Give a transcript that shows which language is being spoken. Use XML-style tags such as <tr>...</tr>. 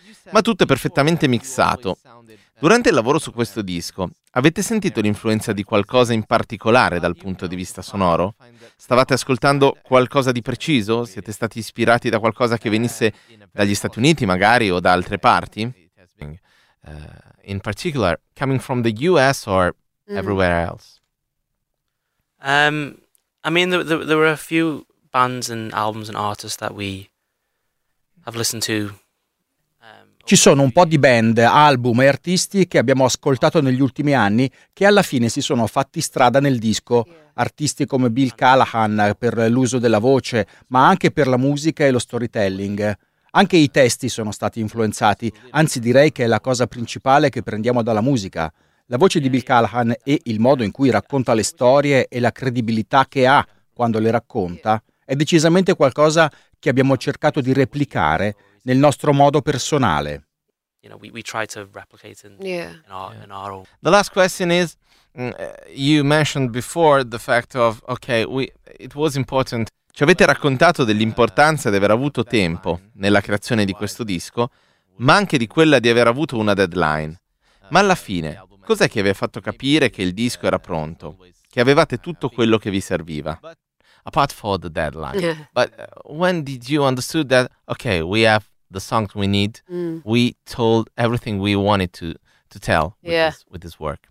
<it>Ma tutto è perfettamente mixato. Durante il lavoro su questo disco, avete sentito l'influenza di qualcosa in particolare dal punto di vista sonoro? Stavate ascoltando qualcosa di preciso? Siete stati ispirati da qualcosa che venisse dagli Stati Uniti, magari, o da altre parti?</it> <en>In particular, coming from the US or everywhere else? I mean, there were a few bands and albums and artists that we have listened to.</en> <it>Ci sono un po' di band, album e artisti che abbiamo ascoltato negli ultimi anni che alla fine si sono fatti strada nel disco. Artisti come Bill Callahan per l'uso della voce, ma anche per la musica e lo storytelling. Anche i testi sono stati influenzati, anzi direi che è la cosa principale che prendiamo dalla musica. La voce di Bill Callahan e il modo in cui racconta le storie e la credibilità che ha quando le racconta è decisamente qualcosa che abbiamo cercato di replicare nel nostro modo personale.</it> <en>You know, we try to replicate in our own. The last question is, you mentioned before the fact of, okay, it was important.</en> <it>Ci avete raccontato dell'importanza di aver avuto tempo nella creazione di questo disco, ma anche di quella di aver avuto una deadline. Ma alla fine, cos'è che vi ha fatto capire che il disco era pronto, che avevate tutto quello che vi serviva?</it> <en>Apart for the deadline, but when did you understood that okay, we have the songs we need, we told everything we wanted to tell with this work?</en>